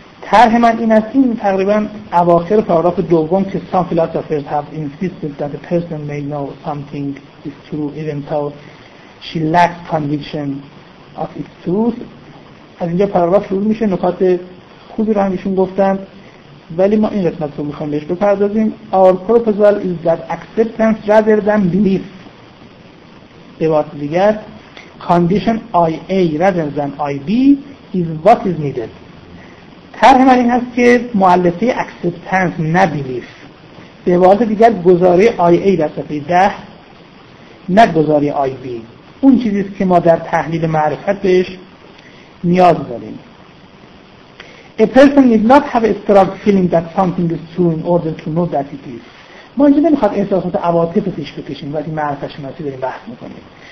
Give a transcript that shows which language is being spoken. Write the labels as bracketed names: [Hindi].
[Persian] طرح من این است که تقریبا اواخر پاراگراف دوم که [English] some philosophers have insisted that a person may know something is true even though she lacks conviction of its truth. [Persian] از اینجا پاراگراف شروع میشه، نکات خوبی رو هم ایشون گفتن، ولی ما این قسمت رو میخوام بهش بپردازیم. [English] Our proposal is that acceptance rather than belief. [Persian] به واسه دیگر [English] condition IA rather than IB is what is needed. [Persian] طرح من این هست که مؤلفه اکسپتنس نه بیلیف، به واسه دیگر گزاره آی ای در صفحه 10 نه گزاره آی بی، اون چیزیست که ما در تحلیل معرفت بهش نیاز داریم. [English] A person need not have a strong feeling that something is true in order to know that it is. [Persian] ما اینجا نمیخواد احساسات عواطف پیش بکشیم وقتی معرفت شناسی داریم بحث میکنیم.